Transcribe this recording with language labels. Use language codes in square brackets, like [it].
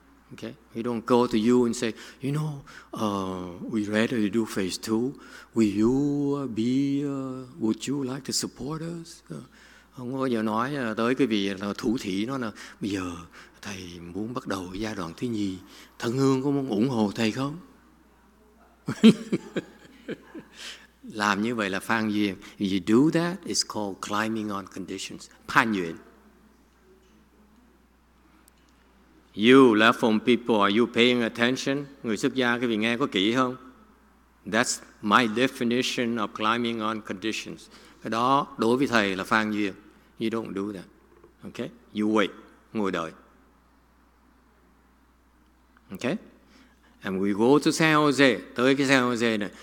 [en] Okay, we don't go to you and say, you know, we ready to do phase 2. Will you be? Would you like to support us? [vi] Không bao giờ nói tới cái vị là thủ thị nó là bây giờ thầy muốn bắt đầu giai đoạn thứ nhì, thân hương có muốn ủng hộ thầy không? Làm như vậy là phan duyên. [en] If you do that, it's called climbing on conditions. Phan duyên. You left home people, are you paying attention? [vi] Người xuất gia cái vị nghe có kỹ không? [en] That's my definition of climbing on conditions. [vi] Cái đó đối với thầy là phan duyên. [en] You don't do that. Okay? You wait. [vi] Ngồi đợi. [en] Okay? And we go to San Jose. [vi] Tới cái San Jose này.